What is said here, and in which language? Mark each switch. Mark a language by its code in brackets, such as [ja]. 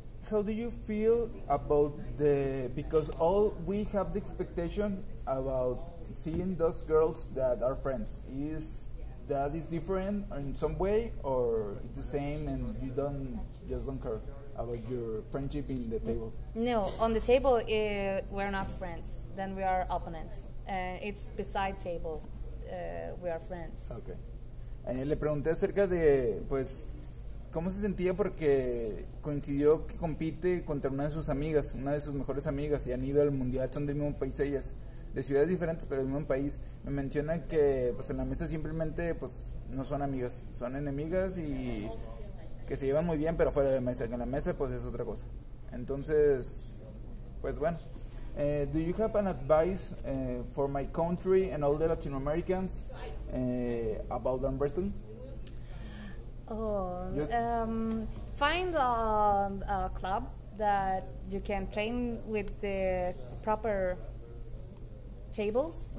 [en] How do you feel about the, because all we have the expectation about seeing those girls that are friends. Is that is different in some way or it's the same and you don't just don't care about your friendship in the table? No, on the table we're not friends, then we are opponents. It's beside table, we are friends. Okay. [es] Le pregunté acerca de, pues, ¿cómo se sentía? Porque coincidió que compite contra una de sus amigas, una de sus mejores amigas, y han ido al mundial, son del mismo país ellas, de ciudades diferentes, pero del mismo país. Me menciona que pues en la mesa simplemente pues no son amigas, son enemigas y que se llevan muy bien, pero fuera de la mesa, que en la mesa pues es otra cosa. Entonces, pues bueno. [en] Do you have an advice for my country and all the Latin Americans about arm wrestling? Find a club that you can train with the proper tables.